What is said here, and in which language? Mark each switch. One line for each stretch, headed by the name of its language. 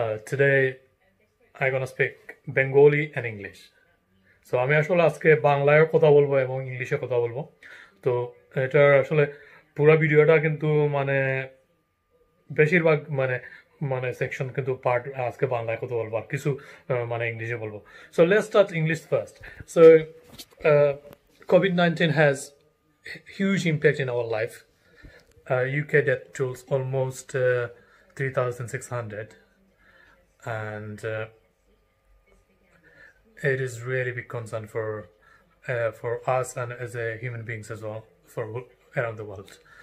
English: Today I'm gonna speak Bengali and English.
Bangla: So আমি আসলে আজকে বাংলায় কথা বলবো এবং ইংলিশে কথা বলবো। তো এটা আসলে পুরো ভিডিওটা কিন্তু মানে বেশিরভাগ মানে মানে সেকশন কিন্তু পার্ট আজকে বাংলায় কথা বলবো আর কিছু মানে ইংলিশে বলবো।
English: So let's start English first. So COVID-19 has huge impact in our life. UK death tolls almost 3,600, and it is really big concern for us and as a human beings as well for around the world.